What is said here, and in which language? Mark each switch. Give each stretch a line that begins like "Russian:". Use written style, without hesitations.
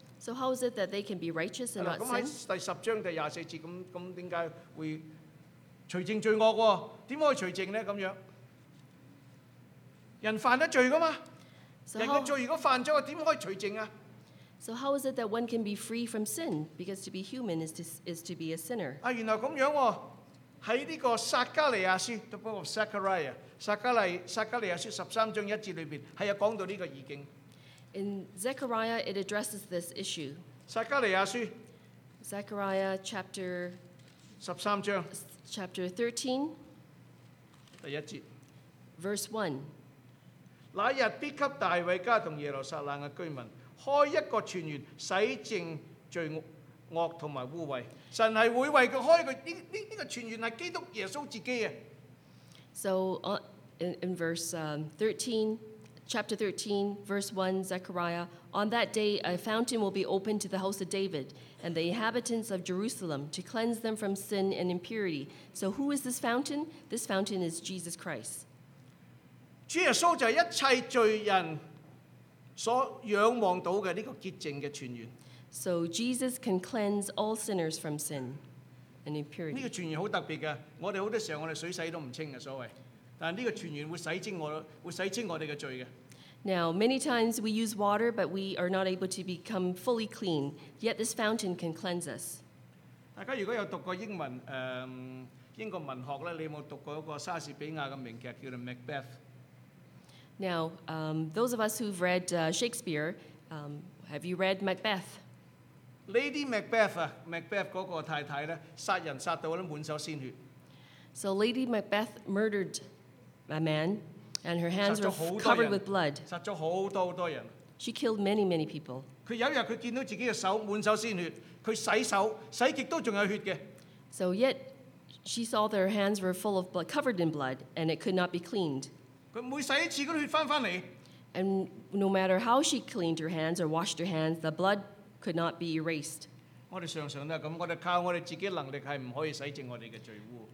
English: ？So how is it that they can be righteous and not sin？
Chinese: 咁喺第十章第廿四節，咁點解會除淨罪惡喎？點可以除淨咧？咁樣人犯得罪噶嘛？ So、人嘅罪如果犯咗，點可以除淨啊？
English: So how is it that one can be free from sin? Because to be human is to be a sinner.
Chinese: 啊，原來咁樣喎，喺呢個撒加利亞書 ，
English: the book of Zechariah，
Chinese: 撒加利亞書十三章一節裏邊係有講到呢個意境。
English: In Zechariah, it addresses this issue.
Chinese: 撒加利亞書
English: ，Zechariah chapter
Chinese: 十三章
English: ，chapter 13，
Chinese: 第一節
English: ，verse 1。
Chinese: 那日必給大衛家同耶路撒冷嘅居民。開一個泉源，洗淨罪惡同埋污穢。神係會為佢開個呢個泉源係基督耶穌自己啊。
English: So in verse 13, chapter 13, verse 1, Zechariah, on that day a fountain will be opened to the house of David and the inhabitants of Jerusalem to cleanse them from sin and impurity. So who is this fountain? This fountain is Jesus Christ.
Chinese: 主耶穌就係一切罪人。所仰望到嘅呢個潔淨嘅泉源。
English: So Jesus can cleanse all sinners from sin and impurity.
Chinese: 呢個泉源好特別嘅，我哋好多時候我哋水洗都唔清嘅所謂，但係呢個泉源會洗清我哋嘅罪嘅。
English: Now, many times we use water, but we are not able to become fully clean. Yet this fountain can cleanse us.
Chinese: 大家如果有讀過英文，英國文學咧，你有冇讀過一個莎士比亞嘅名劇叫做《Macbeth》
English: ？Now, those of us who've read Shakespeare, have you read Macbeth?
Chinese: Lady Macbeth 啊 ，Macbeth 嗰個太太咧，殺人殺到咧滿手鮮血。
English: So Lady Macbeth murdered a man, and her hands were covered with blood.
Chinese: 殺咗好多好多人。
English: She killed many, many people.
Chinese: 佢有一日佢見到自己嘅手滿手鮮血，佢洗手洗極都仲有血嘅。
English: So yet she saw that her hands were full of blood, covered in blood, and it could not be cleaned.
Chinese: 佢每洗一次，嗰啲血翻翻嚟。
English: And no matter how she cleaned her hands or washed her hands, the blood could not be erased.
Chinese: 我哋常常都係咁，我哋靠我哋自己能力係唔可以洗淨我哋嘅罪污。